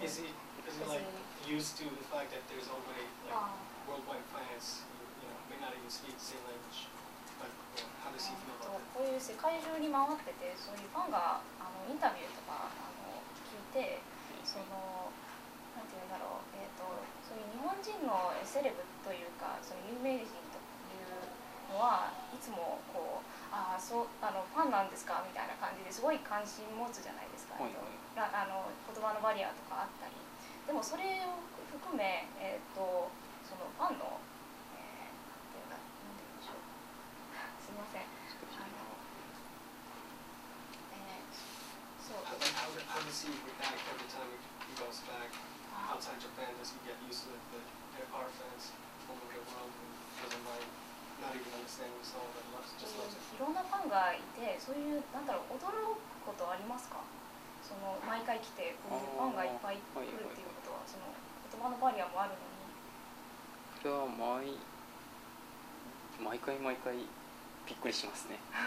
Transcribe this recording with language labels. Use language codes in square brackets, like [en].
[en] Is he used to the fact that there's already like, worldwide fans who you know, may not even speak the same language? But how does he feel about that? [ja] こういう世界中に回ってて、そういうファンがあのインタビューとかあの聞いて、そのなんていうんだろう、そういう日本人のセレブというか、その有名人というのは、いつもこう、ああ、そう、あの、ファンなんですかみたいな感じですごい関心持つじゃないですか、はい、あの、言葉のバリアとかあったり。でもそれを含め、そのファンの、なんていうか、なんていうんでしょう。すみません。あの、そう。 [en] Outside Japan, does he get used to it that there are fans all over the world who doesn't mind not even understanding the song but loves, just loves it? [ja] いろんなファンがいて、そういう、なんだろう、驚くことありますか？その、毎回来て、こういうファンがいっぱい来るっていうことは、その、言葉のバリアもあるのに。それは毎回びっくりしますね。